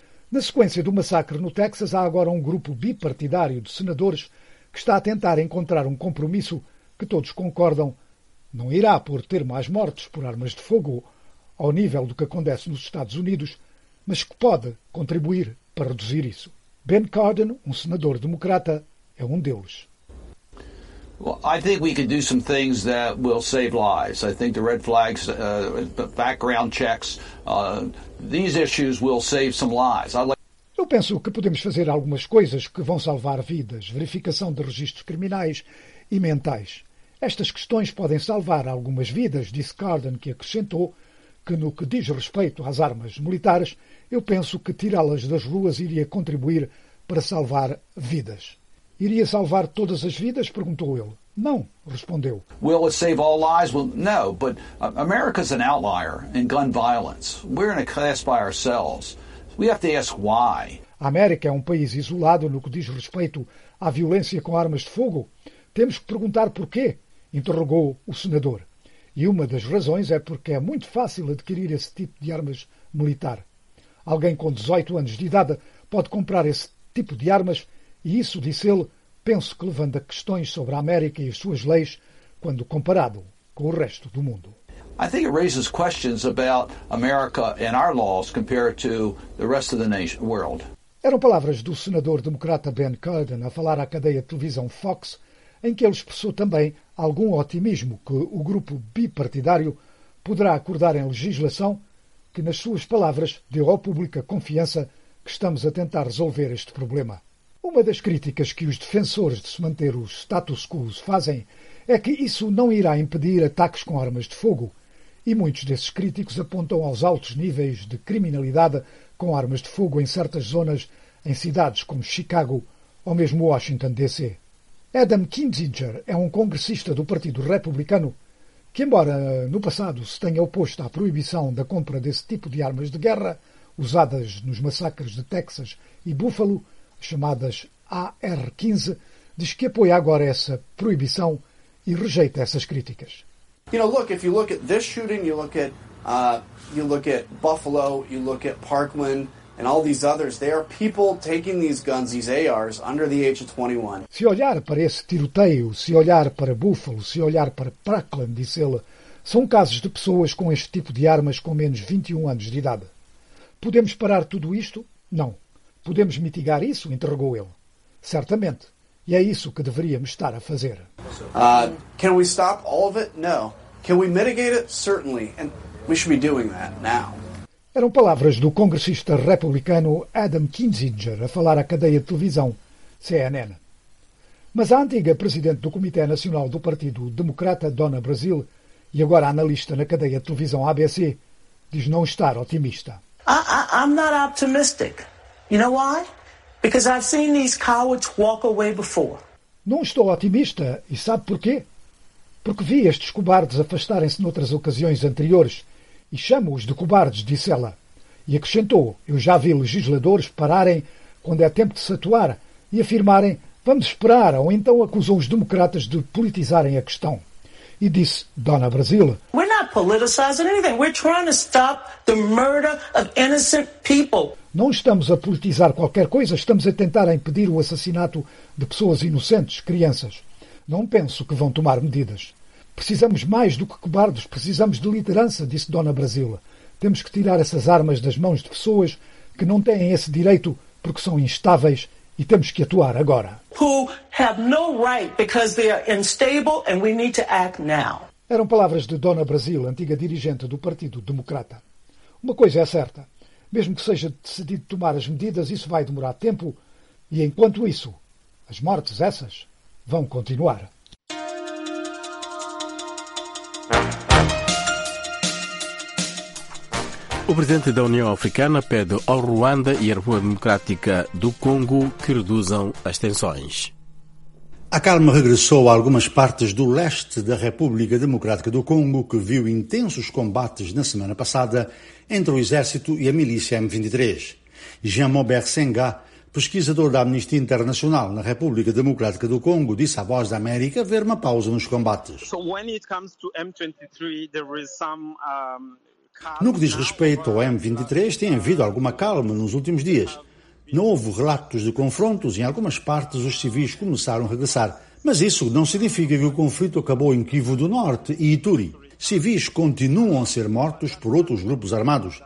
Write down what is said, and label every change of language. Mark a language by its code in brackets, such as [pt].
[pt] Na sequência do massacre no Texas, há agora um grupo bipartidário de senadores que está a tentar encontrar um compromisso que todos concordam não irá por ter mais mortes por armas de fogo ao nível do que acontece nos Estados Unidos, mas que pode contribuir para reduzir isso. Ben Cardin, um senador democrata, é um deles. [en] Well, I think we could do some things that will save lives. I think the red flags, background checks, these issues will save some lives. [pt] Eu penso que podemos fazer algumas coisas que vão salvar vidas, verificação de registros criminais e mentais. Estas questões podem salvar algumas vidas, disse Cardin, que acrescentou que, no que diz respeito às armas militares, eu penso que tirá-las das ruas iria contribuir para salvar vidas. Iria salvar todas as vidas? Perguntou ele. Não, respondeu. [en] Will it save all lives? Well, no, but America's an outlier in gun violence. We're in a class by ourselves. We have to ask why. [pt] A América é um país isolado no que diz respeito à violência com armas de fogo. Temos que perguntar porquê, interrogou o senador. E uma das razões é porque é muito fácil adquirir esse tipo de armas militar. Alguém com 18 anos de idade pode comprar esse tipo de armas e isso, disse ele, penso que levanta questões sobre a América e as suas leis quando comparado com o resto do mundo. [en] I think it raises questions about America and our laws compared to the rest of the world. [pt] Eram palavras do senador democrata Ben Cardin a falar à cadeia de televisão Fox, em que ele expressou também algum otimismo que o grupo bipartidário poderá acordar em legislação que, nas suas palavras, deu ao público a confiança que estamos a tentar resolver este problema. Uma das críticas que os defensores de se manter o status quo fazem é que isso não irá impedir ataques com armas de fogo, e muitos desses críticos apontam aos altos níveis de criminalidade com armas de fogo em certas zonas, em cidades como Chicago ou mesmo Washington, D.C. Adam Kinzinger é um congressista do Partido Republicano que, embora no passado se tenha oposto à proibição da compra desse tipo de armas de guerra usadas nos massacres de Texas e Buffalo, chamadas AR-15, diz que apoia agora essa proibição e rejeita essas críticas. [en] You know, look, if you look at this shooting, you look at Buffalo, you look at Parkland, and all these others, they are people taking these guns, these ARs, under the age of 21. [pt] Se olhar para esse tiroteio, se olhar para Buffalo, se olhar para Parkland, disse ele, são casos de pessoas com este tipo de armas com menos 21 anos de idade. Podemos parar tudo isto? Não. Podemos mitigar isso? Interrogou ele. Certamente. E é isso que deveríamos estar a fazer. [en] Can we stop all of it? No. Can we mitigate it? Certainly. And we should be doing that now. [pt] Eram palavras do congressista republicano Adam Kinzinger a falar à cadeia de televisão CNN. Mas a antiga presidente do Comitê Nacional do Partido Democrata, Donna Brazil, e agora analista na cadeia de televisão ABC, diz não estar otimista. [en] I'm not optimistic. You know why? Because I've seen these cowards walk away before. [pt] Não estou otimista, e sabe porquê? Porque vi estes cobardes afastarem-se noutras ocasiões anteriores. E chamo-os de cobardes, disse ela. E acrescentou, eu já vi legisladores pararem quando é tempo de se atuar, e afirmarem vamos esperar, ou então acusou os democratas de politizarem a questão. E disse Dona Brasília: [en] we're not politicizing anything. We're trying to stop the murder of innocent people. [pt] Não estamos a politizar qualquer coisa, estamos a tentar impedir o assassinato de pessoas inocentes, crianças. Não penso que vão tomar medidas. Precisamos mais do que cobardes, precisamos de liderança, disse Dona Brasília. Temos que tirar essas armas das mãos de pessoas que não têm esse direito porque são instáveis. E temos que atuar agora. [en] Who have no right because they are unstable and we need to act now. [pt] Eram palavras de Dona Brasil, antiga dirigente do Partido Democrata. Uma coisa é certa. Mesmo que seja decidido tomar as medidas, isso vai demorar tempo. E enquanto isso, as mortes essas vão continuar. O presidente da União Africana pede ao Ruanda e à República Democrática do Congo que reduzam as tensões. A calma regressou a algumas partes do leste da República Democrática do Congo, que viu intensos combates na semana passada entre o exército e a milícia M23. Jean-Maubert Senga, pesquisador da Amnistia Internacional na República Democrática do Congo, disse à Voz da América ver uma pausa nos combates. [en] So when it comes to M23, there is some, [pt] No que diz respeito ao M23, tem havido alguma calma nos últimos dias. Não houve relatos de confrontos e em algumas partes os civis começaram a regressar. Mas isso não significa que o conflito acabou em Kivu do Norte e Ituri. Civis continuam a ser mortos por outros grupos armados.